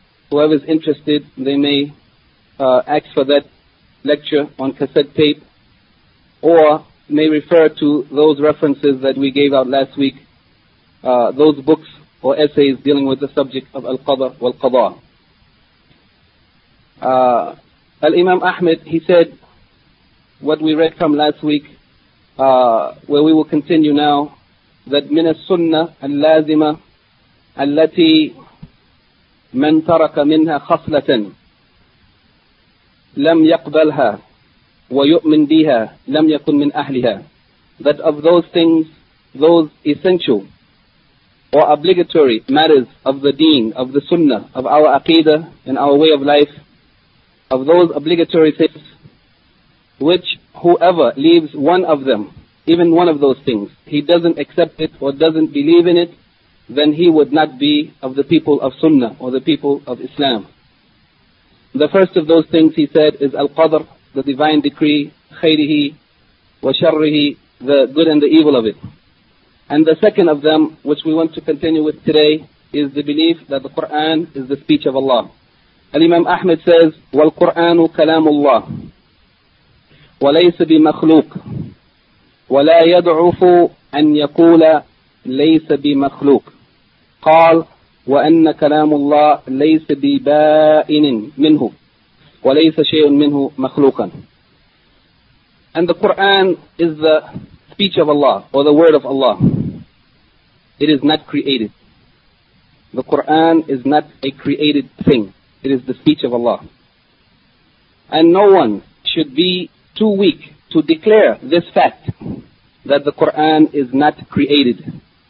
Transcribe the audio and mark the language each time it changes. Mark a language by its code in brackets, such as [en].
[en] Whoever is interested, they may ask for that lecture on cassette tape, or may refer to those references that we gave out last week, those books or essays dealing with the subject of Al-Qadr wal-Qadha. Al-Imam Ahmad, he said what we read from last week, where we will continue now, that [ar] من السنة اللازمة التي من ترك منها خصلة لم يقبلها ويؤمن بها لم يكن من أهلها. [en] That of those things, those essential or obligatory matters of the deen, of the sunnah, of our aqidah and our way of life, of those obligatory things, which whoever leaves one of them, even one of those things, he doesn't accept it or doesn't believe in it, then he would not be of the people of sunnah or the people of Islam. The first of those things, he said, is Al-Qadr, the divine decree, khayrihi wa sharrihi, the good and the evil of it. And the second of them, which we want to continue with today, is the belief that the Qur'an is the speech of Allah. Al-Imam Ahmad says, [ar] وَالْقُرْآنُ كَلَامُ اللَّهِ وَلَيْسَ بِمَخْلُوقٍ وَلَا يَدْعُفُ أَن يَقُولَ ليس بمخلوق. قال وأن كلام الله ليس ببائن منه وليس شيء منه مخلوقا. [en] And the Quran is the speech of Allah or the word of Allah. It is not created. The Quran is not a created thing. It is the speech of Allah. And no one should be too weak to declare this fact that the Quran is not created.